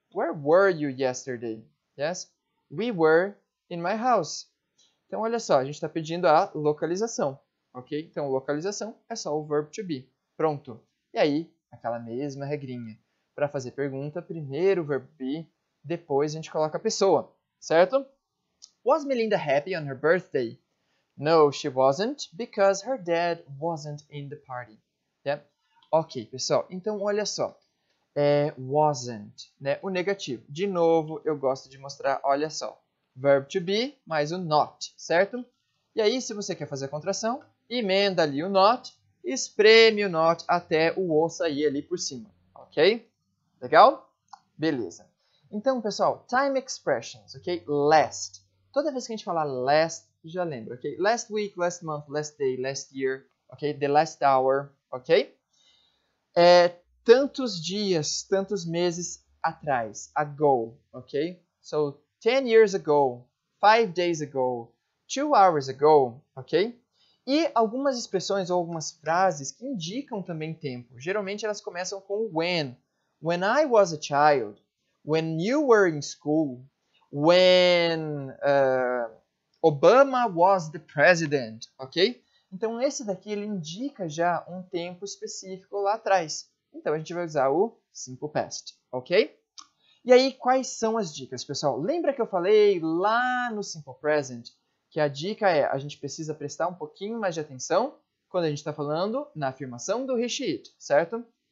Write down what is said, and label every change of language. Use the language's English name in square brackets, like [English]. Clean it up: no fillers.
[English] Where were you yesterday? Yes, we were in my house. [Portuguese] Então, olha só, a gente tá pedindo a localização, ok? Então, localização é só o verb to be. Pronto. E aí, aquela mesma regrinha. Para fazer pergunta, primeiro o verbo be, depois a gente coloca a pessoa, certo? [English] Was Melinda happy on her birthday? No, she wasn't, because her dad wasn't in the party. [Portuguese] Yeah? Ok, pessoal, então olha só. É wasn't, né? O negativo. De novo, eu gosto de mostrar, olha só. Verbo to be mais o not, certo? E aí, se você quer fazer a contração, emenda ali o not, espreme o not até o O sair ali por cima, ok? Legal? Beleza. Então, pessoal, [English] time expressions, ok? Last. [Portuguese] Toda vez que a gente falar last, já lembra, ok? [English] Last week, last month, last day, last year, ok? The last hour, ok? [Portuguese] É, tantos dias, tantos meses atrás, ago, ok? [English] So, 10 years ago, 5 days ago, 2 hours ago, ok? [Portuguese] E algumas expressões ou algumas frases que indicam também tempo. Geralmente elas começam com when. [English] When I was a child, when you were in school, when Obama was the president, ok? [Portuguese] Então, esse daqui, ele indica já um tempo específico lá atrás. Então, a gente vai usar o simple past, ok? E aí, quais são as dicas, pessoal? Lembra que eu falei lá no simple present que a dica é a gente precisa prestar um pouquinho mais de atenção quando a gente está falando na afirmação do he, she, it, certo?